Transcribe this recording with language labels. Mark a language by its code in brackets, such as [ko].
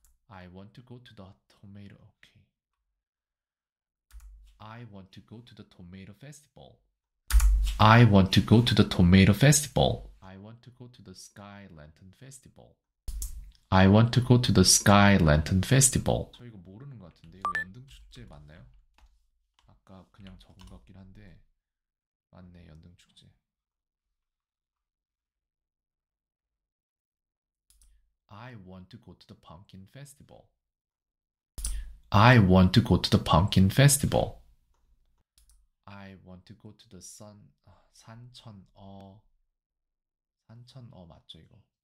[en] I want to go to the tomato. Okay. I want to go to the tomato festival. I want to go to the tomato festival. I want to go to the sky lantern festival. I want to go to the sky lantern festival. [ko] 저 이거 모르는 것 같은데 이거 연등 축제 맞나요? 아까 그냥 적은 것 같긴 한데 맞네 연등 축제. [en] I want to go to the pumpkin festival. I want to go to the pumpkin festival. I want to go to the sun 산천어 맞죠 이거?